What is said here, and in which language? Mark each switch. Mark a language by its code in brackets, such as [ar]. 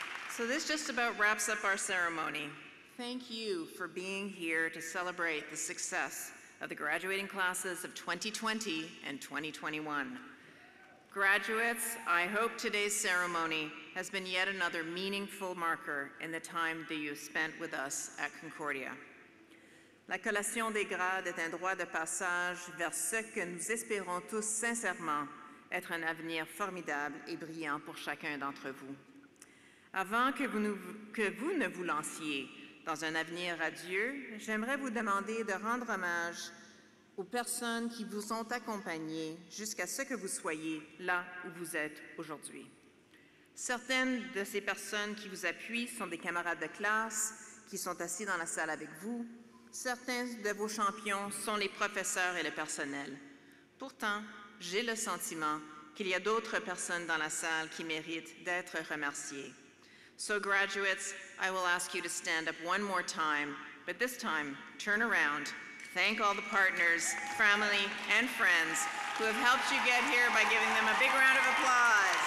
[en] So this just about wraps up our ceremony. Thank you for being here to celebrate the success of the graduating classes of 2020 and 2021. Graduates, I hope today's ceremony has been yet another meaningful marker in the time that you spent with us at Concordia. [fr] La collation des grades est un droit de passage vers ce que nous espérons tous sincèrement être un avenir formidable et brillant pour chacun d'entre vous. Avant que vous ne vous lanciez dans un avenir radieux, j'aimerais vous demander de rendre hommage aux personnes qui vous ont accompagnées jusqu'à ce que vous soyez là où vous êtes aujourd'hui. Certaines de ces personnes qui vous appuient sont des camarades de classe qui sont assis dans la salle avec vous. Certains de vos champions sont les professeurs et le personnel. Pourtant, j'ai le sentiment qu'il y a d'autres personnes dans la salle qui méritent d'être remerciées. [en] So graduates, I will ask you to stand up one more time, but this time, turn around. Thank all the partners, family, and friends who have helped you get here by giving them a big round of applause.